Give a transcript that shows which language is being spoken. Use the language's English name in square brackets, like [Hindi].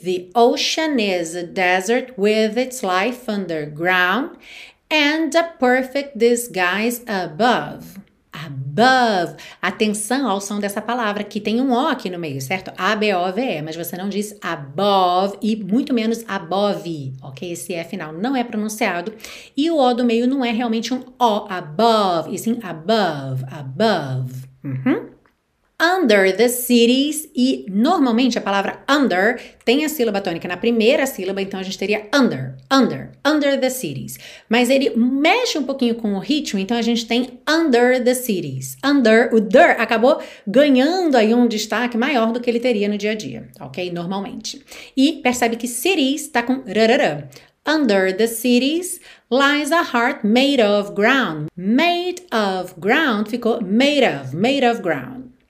[English] The ocean is a desert with its life underground. And a perfect disguise above. Above. [Portuguese] Atenção ao som dessa palavra, que tem um O aqui no meio, certo? A-B-O-V-E, mas você não diz above e muito menos above, ok? Esse E final não é pronunciado. E o O do meio não é realmente um O, above, e sim above, above. [English] Under the cities, [Portuguese] e normalmente a palavra under tem a sílaba tônica na primeira sílaba, então a gente teria under the cities. Mas ele mexe um pouquinho com o ritmo, então a gente tem under the cities. Under, o der acabou ganhando aí um destaque maior do que ele teria no dia a dia, ok? Normalmente. E percebe que cities está com rarara. [English] Under the cities lies a heart made of ground. Made of ground ficou made of ground.